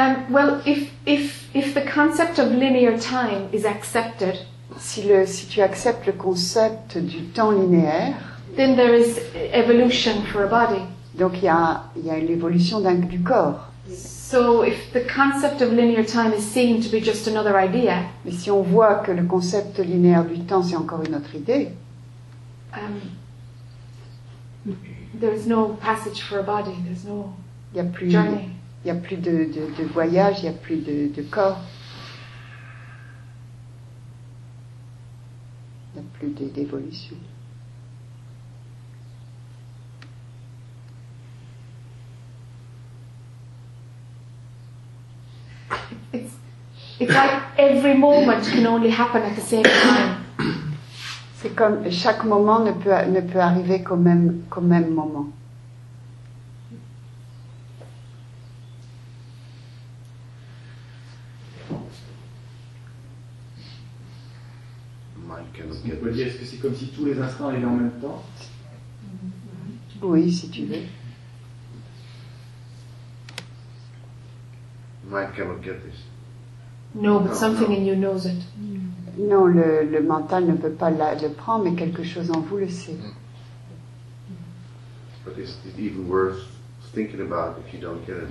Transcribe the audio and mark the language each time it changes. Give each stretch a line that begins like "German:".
English: Well, if the concept of linear time is accepted,
French: si tu acceptes le concept du temps linéaire.
English: Then there is evolution for a body.
French: Donc il y a l'évolution du corps.
English: So if the concept of linear time is seen to be just another idea.
French: Mais si on voit que le concept linéaire du temps c'est encore une autre idée.
English: There is no passage for a body. There's no journey.
French: Il y a plus de voyage. Il y a plus de corps. Il y a plus d'évolution.
English: It's like every moment can only happen at the same time.
French: C'est comme chaque moment ne peut arriver qu'au même moment. Michael, on peut dire que c'est comme si tous les instants allaient en même temps. Oui, si tu veux. Michael, on peut dire.
English: No, but something in you knows it.
French: Non, le mental ne peut pas le prendre, mais quelque chose en vous le sait.
English: But is it even worth thinking about if you don't get it?